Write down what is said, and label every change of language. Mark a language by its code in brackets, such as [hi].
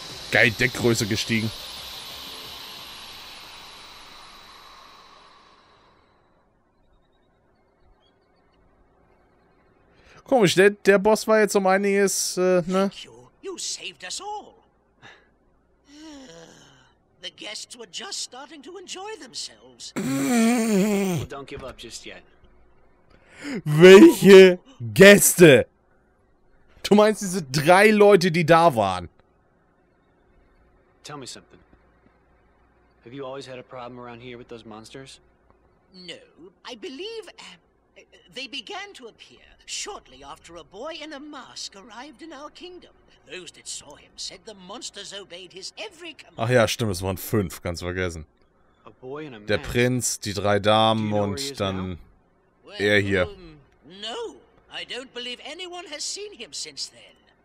[de] Geil, Deckgröße gestiegen. Komisch, der Boss war jetzt um einiges, ne? [en] You saved us all. The guests were just starting to enjoy themselves. Well, don't give up just yet. [de] Welche Gäste? Du meinst diese drei Leute, die da waren? [en] Tell me something. Have you always had a problem around here with those monsters? No, I believe they began to appear shortly after a boy in a mask arrived in our kingdom. Those that saw him said the monsters obeyed his every command. [de] Ach ja, stimmt, es waren fünf, ganz vergessen. [en] A boy in a [de] der Prinz, die drei Damen, [en] you know, [de] und dann [en] well, [de] er hier. [en] No, I don't believe anyone has seen him since then.